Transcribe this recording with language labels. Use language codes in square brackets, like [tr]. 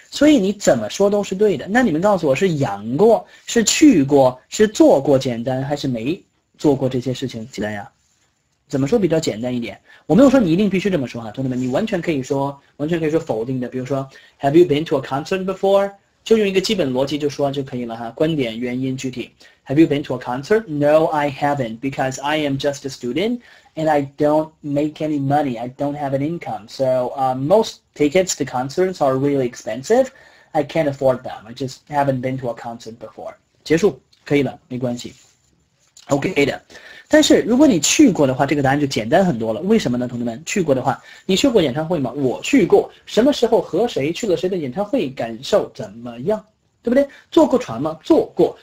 [zh] 所以你怎么说都是对的。那你们告诉我是养过、是去过、是做过简单，还是没做过这些事情简单呀？怎么说比较简单一点？我没有说你一定必须这么说啊，同学们，你完全可以说，完全可以说否定的。比如说 [en] ，Have you been to a concert before？ [zh] 就用一个基本逻辑就说就可以了哈。观点、原因、具体。 [en] Have you been to a concert？ No， I haven't， because I am just a student and I don't make any money， I don't have an income， so most tickets to concerts are really expensive， I can't afford them， I just haven't been to a concert before。 [zh] 结束，可以了，没关系 ，OK 的。但是如果你去过的话，这个答案就简单很多了。为什么呢，同学们？去过的话，你去过演唱会吗？我去过。什么时候和谁去了谁的演唱会？感受怎么样？对不对？坐过船吗？坐过。